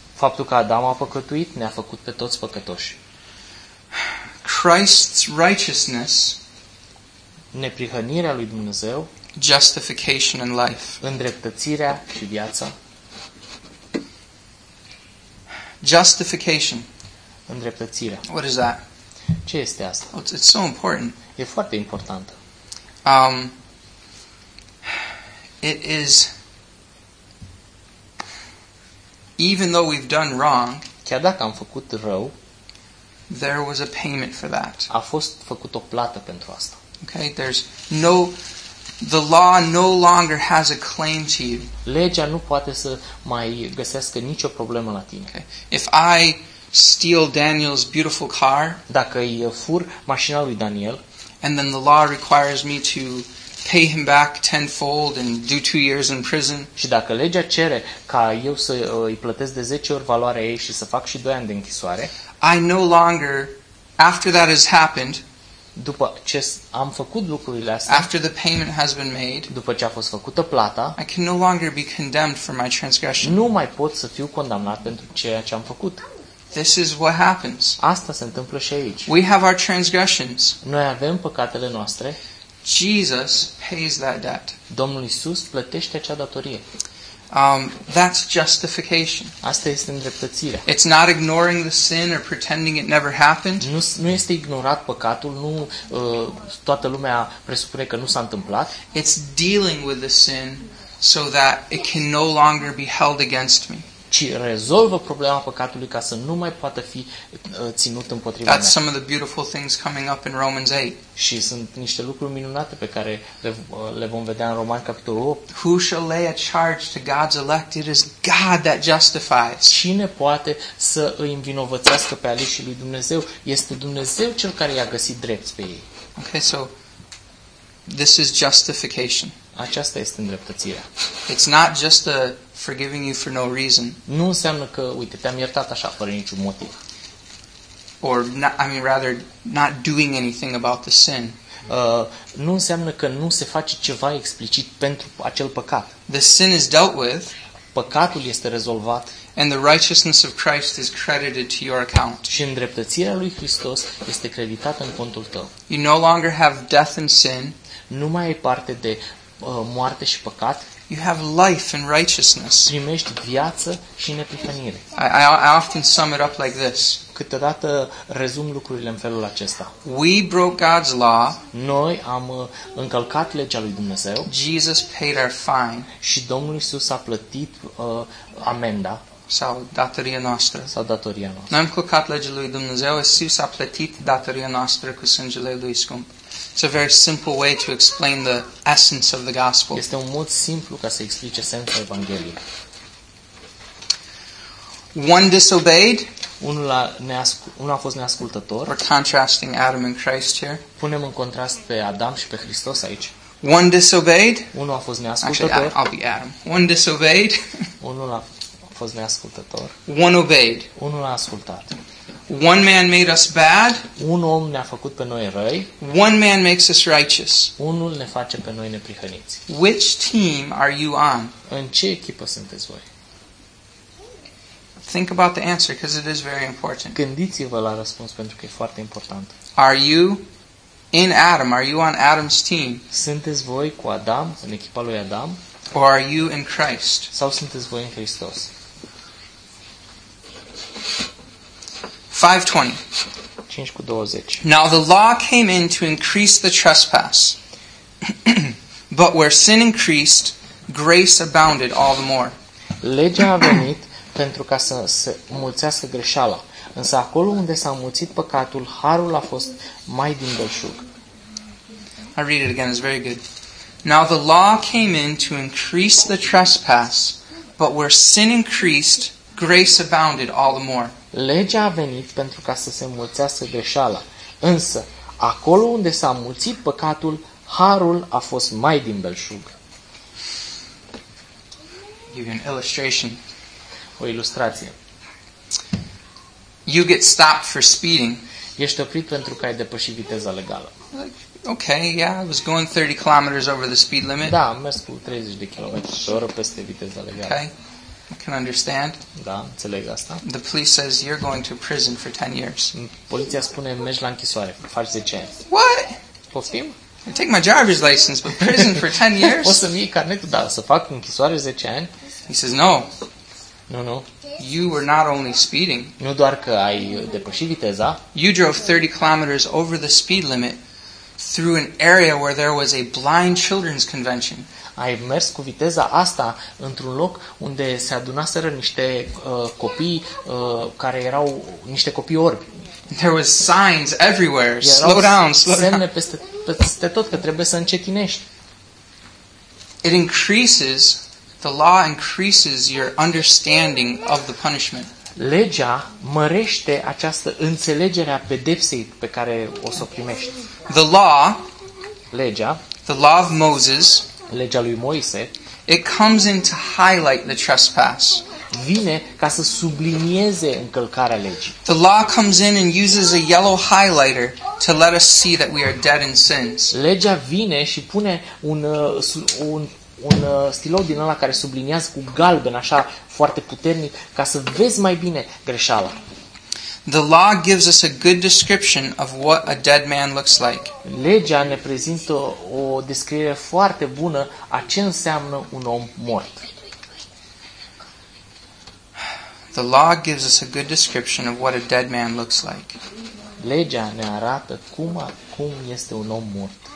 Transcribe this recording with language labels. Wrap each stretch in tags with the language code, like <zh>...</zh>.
<ro>Faptul că Adam a păcătuit ne-a făcut pe toți păcătoși.</ro> <en>Christ's righteousness,</en> <ro>neprihănirea lui Dumnezeu,</ro> <en>justification and life,</en> <ro>îndreptățirea și viața.</ro> <en>Justification,</en> <ro>îndreptățirea.</ro> <en>What is that?</en> <ro>Ce este asta?</ro> <en>Oh, it's so important.</en> <ro>E foarte importantă.</ro> <en>It is, even though we've done wrong,</en> <ro>chiar dacă am făcut rău,</ro> <en>there was a payment for that.</en> <ro>A fost făcut o plată pentru asta.</ro> <en>Okay, there's no, the law no longer has a claim to you.</en> <ro>Legea nu poate să mai găsească nicio problemă la tine.</ro> <en>Okay. If I steal Daniel's beautiful car,</en> <ro>dacă îi fur mașina lui Daniel,</ro> <en>and then the law requires me to pay him back tenfold and do 2 years in prison.</en> <ro>Și dacă legea cere ca eu să îi plătesc de 10 ori valoarea ei și să fac și 2 ani de închisoare,</ro> <en>I no longer, after that has happened,</en> <ro>după ce am făcut lucrurile astea,</ro> <en>after the payment has been made,</en> <ro>după ce a fost făcută plata,</ro> <en>I can no longer be condemned for my transgression.</en> <ro>Nu mai pot să fiu condamnat pentru ceea ce am făcut.</ro> <en>This is what happens.</en> <ro>Asta se întâmplă și aici.</ro> <en>We have our transgressions.</en> <ro>Noi avem păcatele noastre.</ro> <en>Jesus pays that debt.</en> <ro>Domnul Iisus plătește acea datorie.</ro> <en>That's justification.</en> <ro>Asta este îndreptățirea.</ro> <en>It's not ignoring the sin or pretending it never happened.</en> <ro>Nu este ignorat păcatul, nu toată lumea presupune că nu s-a întâmplat.</ro> <en>It's dealing with the sin so that it can no longer be held against me.</en> <ro>Ci rezolvă problema păcatului ca să nu mai poată fi ținut împotriva</ro> <en>That's</en> <ro>mea.</ro> <en>Some of the beautiful things coming up in Romans 8.</en> <ro>Și sunt niște lucruri minunate pe care le vom vedea în Romani capitolul 8.</ro> <en>Who shall lay a charge to God's elect? It is God that justifies.</en> <ro>Cine poate să îi învinovățească pe aleșii lui Dumnezeu? Este Dumnezeu cel care i-a găsit drepți pe ei.</ro> <en>Okay, so this is justification.</en> <ro>Aceasta este îndreptățirea.</ro> <en>It's not just a forgiving you for no reason.</en> <ro>Nu înseamnă că, uite, te-am iertat așa fără niciun motiv.</ro> <en>Or not, I mean rather not doing anything about the sin.</en> <ro>Nu înseamnă că nu se face ceva explicit pentru acel păcat.</ro> <en>The sin is dealt with.</en> <ro>Păcatul este rezolvat.</ro> <en>And the righteousness of Christ is credited to your account.</en> <ro>Și îndreptățirea lui Hristos este creditată în contul tău.</ro> <en>You no longer have death and sin.</en> <ro>Nu mai ai parte de moarte și păcat.</ro> <en>You have life and righteousness.</en> <ro>Primești viață și neprihănire.</ro> <en>I often sum it up like this.</en> <ro>câteodată rezum lucrurile în felul acesta.</ro> <en>We broke God's law.</en> <ro>Noi am încălcat legea lui Dumnezeu.</ro> <en>Jesus paid our fine.</en> <ro>Și Domnul Iisus a plătit amenda. Sau datoria noastră. Sau datoria noastră. Noi am încălcat legea lui Dumnezeu. Iisus a plătit datoria noastră cu sângele lui scump.</ro> <en>It's a very simple way to explain the essence of the gospel.</en> <ro>Este un mod simplu ca să explice sensul evangheliei.</ro> <en>One disobeyed.</en> <ro>Unul a fost neascultător.</ro> <en>We're contrasting Adam and Christ here.</en> <ro>Punem în contrast pe Adam și pe Hristos aici.</ro> <en>One disobeyed.</en> <ro>Unul a fost neascultător.</ro> <en>Actually, I'll be Adam. One disobeyed.</en> <ro>Unul a fost neascultător.</ro> <en>One obeyed.</en> <ro>Unul a ascultat.</ro> <en>One man made us bad.</en> <ro>Un om ne-a făcut pe noi răi.</ro> <en>One man makes us righteous.</en> <ro>Unul ne face pe noi neprihăniți.</ro> <en>Which team are you on?</en> <ro>În ce echipă sunteți voi?</ro> <en>Think about the answer because it is very important.</en> <ro>Gândiți-vă la răspuns pentru că e foarte important.</ro> <en>Are you in Adam? Are you on Adam's team?</en> <ro>Sunteți voi cu Adam, în echipa lui Adam?</ro> <en>Or are you in Christ?</en> <ro>Sau sunteți voi în Hristos?</ro> <en>5:20. Now the law came in to increase the trespass. But where sin increased, grace abounded all the more.</en> <ro>Legea a venit pentru ca să se mulțească greșeala. Însă acolo unde s-a mulțit păcatul, harul a fost mai din belșug.</ro> <en>I read it again, it's very good. Now the law came in to increase the trespass, but where sin increased, grace abounded all the more.</en> <ro>Legea a venit pentru ca să se mulțească greșeala. Însă acolo unde s-a mulțit păcatul, harul a fost mai din belșug.</ro> <en>Give you an illustration.</en> <ro>O ilustrație.</ro> <en>You get stopped for speeding.</en> <ro>Ești oprit pentru că ai depășit viteza legală.</ro> <en>Okay, yeah, I was going 30 kilometers over the speed limit.</en> <ro>Da, am mers cu 30 de kilometri pe oră peste viteza legală.</ro> <en>Okay. I can understand.</en> <ro>Da, înțeleg asta.</ro> <en>The police says you're going to prison for 10 years.</en> <ro>Poliția spune mergi la închisoare, faci 10 ani.</ro> <en>What?</en> <ro>Poftim?</ro> <en>I take my driver's license, but prison for 10 years?</en> <ro>O să-mi iei carnetul, da, să fac închisoare 10 ani.</ro> <en>He says no. No, no. You were not only speeding.</en> <ro>Nu doar că ai depășit viteza.</ro> <en>You drove 30 kilometers over the speed limit through an area where there was a blind children's convention.</en> <ro>Ai mers cu viteza asta într-un loc unde se adunaseră niște copii care erau niște copii orbi.</ro> <en>There was signs everywhere. Slow down, slow down.</en> <ro>Semne peste tot că trebuie să încetinești.</ro> <en>It increases. The law increases your understanding of the punishment.</en> <ro>Legea mărește această înțelegere a pedepsei pe care o s-o primești.</ro> <en>The law,</en> <ro>legea,</ro> <en>the law of Moses,</en> <ro>legea lui Moise,</ro> <en>it comes in to highlight the trespass.</en> <ro>Vine ca să sublinieze încălcarea legii.</ro> <en>The law comes in and uses a yellow highlighter to let us see that we are dead in sins.</en> <ro>Legea vine și pune un stilou din ăla care subliniază cu galben așa foarte puternic ca să vezi mai bine greșeala.</ro> <en>The law gives us a good description of what a dead man looks like.</en> <ro>Legea ne prezintă o descriere foarte bună a ce înseamnă un om mort.</ro> <en>The law gives us a good description of what a dead man looks like.</en> <ro>Legea ne arată cum este un om mort.</ro>